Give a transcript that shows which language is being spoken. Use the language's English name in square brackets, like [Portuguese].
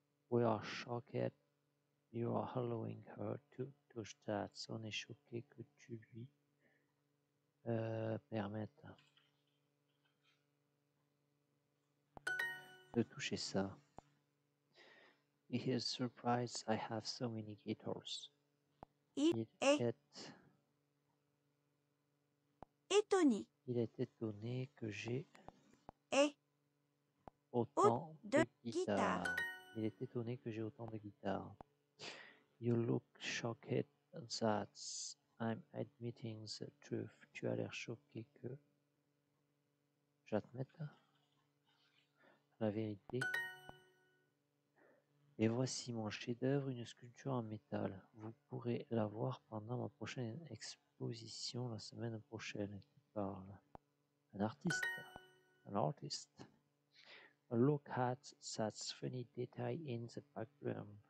[English] We are shocked you are allowing her to touch that. [French] On est choqué que tu lui permettes de toucher ça. [English] He is surprised I have so many guitars. [French] Il est étonné que j'ai autant de guitares. Il est étonné que j'ai autant de guitares. [English] You look shocked that I'm admitting the truth. [French] Tu as l'air choqué que j'admette la vérité. Et voici mon chef-d'œuvre, une sculpture en métal. Vous pourrez la voir pendant ma prochaine exposition la semaine prochaine. [English] Parle. An artist. Look at that funny detail in the background.